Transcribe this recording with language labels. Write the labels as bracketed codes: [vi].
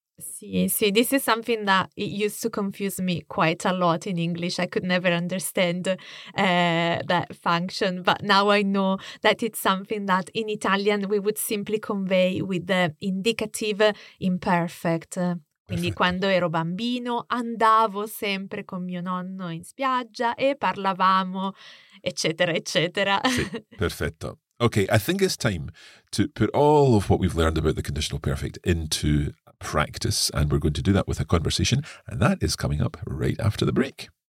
[en] Sì, sì, this is something that it used to confuse me quite a lot in English. I could never understand that function. But now I know that it's something that in Italian we would simply convey with the indicative imperfect. [it] Quindi quando ero bambino andavo sempre con mio nonno in spiaggia e parlavamo, eccetera, eccetera. Sì, perfetto. [en] Okay, I think it's time to put all of what we've learned about the conditional perfect into practice, and we're going to do that with a conversation, and that is coming up right after the break.